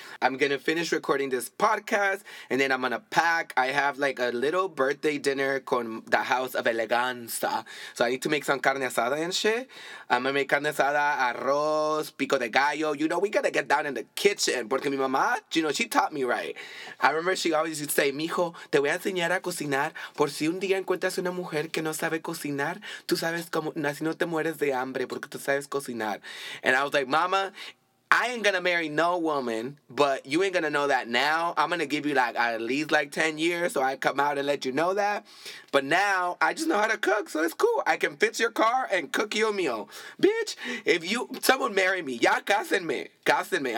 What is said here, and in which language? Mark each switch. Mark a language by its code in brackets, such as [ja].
[en] I'm going to finish recording this podcast, and then I'm going to pack. I have like a little birthday dinner con the house of Eleganza. So I need to make some carne asada and shit. I'm going to make carne asada, arroz, pico de gallo. You know, we got to get down in the kitchen. [es] Porque mi mamá, [en] you know, she taught me right. I remember she always used to say, [es] mijo, te voy a enseñar a cocinar. Por si un día encuentras una mujer que no sabe cocinar, tú sabes cómo, así no te mueres de hambre porque tú sabes cocinar. [en] And I was like, mama, I ain't gonna marry no woman, but you ain't gonna know that now. I'm gonna give you like at least like 10 years so I come out and let you know that. But now I just know how to cook, so it's cool. I can fix your car and cook you a meal. Bitch, if you, someone marry me. [es] Ya cásenme. Cásenme.